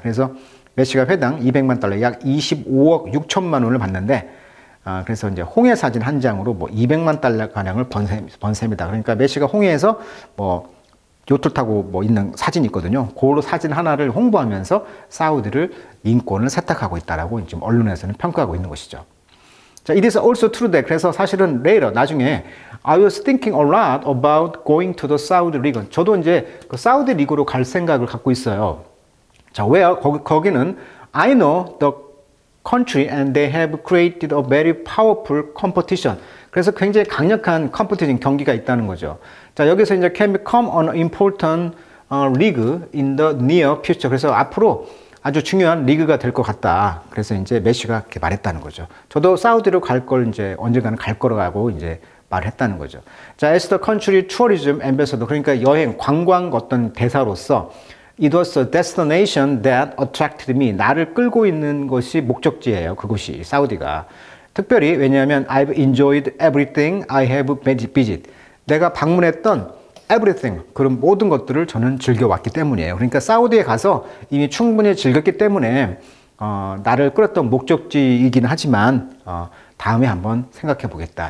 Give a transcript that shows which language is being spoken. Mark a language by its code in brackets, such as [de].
[ko] 그래서 메시가 회당 200만 달러, 약 25억 6천만 원을 받는데, 그래서 이제 홍해 사진 한 장으로 200만 달러 가량을 번 셈이다. 그러니까 메시가 홍해에서 요트 타고 있는 사진이 있거든요. 그 사진 하나를 홍보하면서 사우디를 인권을 세탁하고 있다라고 지금 언론에서는 평가하고 있는 것이죠. [en] 자, it is also true that, [ko] 그래서 사실은 [en] later, [ko] 나중에 [en] I was thinking a lot about going to the Saudi League. [ko] 저도 이제 그 사우디 리그로 갈 생각을 갖고 있어요. 자, 왜요? 거기는 [en] I know the country and they have created a very powerful competition. [ko] 그래서 굉장히 강력한 competition, 경기가 있다는 거죠. 자, 여기서 이제 [en] can become an important league in the near future. [ko] 그래서 앞으로 아주 중요한 리그가 될것 같다. 그래서 이제 메시가 이렇게 말했다는 거죠. 저도 사우디로 갈걸 이제 언젠가는 갈 거라고 이제 말했다는 거죠. [en] 자, as the country tourism ambassador, [ko] 그러니까 여행, 관광 어떤 대사로서 [en] it was a destination that attracted me. [ko] 나를 끌고 있는 것이 목적지예요. 그곳이 사우디가. 특별히 왜냐하면 [en] I've enjoyed everything I have visited. [ko] 내가 방문했던 everything, 그런 모든 것들을 저는 즐겨왔기 때문이에요. 그러니까 사우디에 가서 이미 충분히 즐겼기 때문에 나를 끌었던 목적지이긴 하지만 다음에 한번 생각해 보겠다.